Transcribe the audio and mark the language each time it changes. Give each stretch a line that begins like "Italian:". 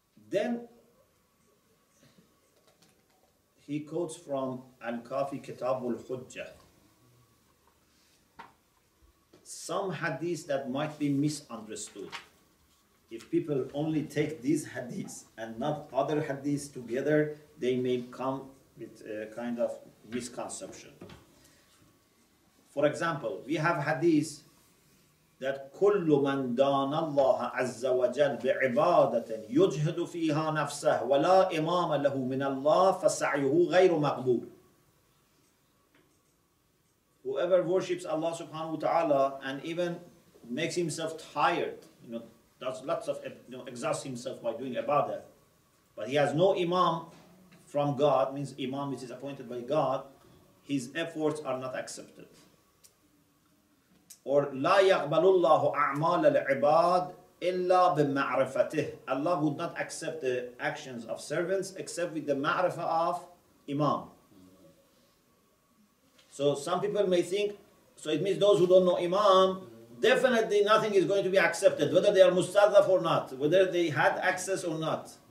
English: Then he quotes from Al-Kafi Kitabul Hujjah, some hadiths that might be misunderstood. If people only take these hadiths and not other hadiths together, they may come with a kind of misconception. For example, we have hadith that
Arabic: كل من دان الله عز وجل بعبادة يجهد فيها نفسه ولا إمام له من الله فسعيه غير مقبول.
English: Whoever worships Allah subhanahu wa ta'ala and even makes himself tired, you know, does lots of, you know, exhausts himself by doing ibadah, but he has no imam from God, means imam which is appointed by God, his efforts are not accepted.
Arabic: Or لا يقبل الله أعمال العباد إلا بمعرفته.
English: Allah would not accept the actions of servants except with the ma'rifah of imam. So some people may think, so it means those who don't know imam, definitely nothing is going to be accepted, whether they are mustadhaf or not, whether they had access or not.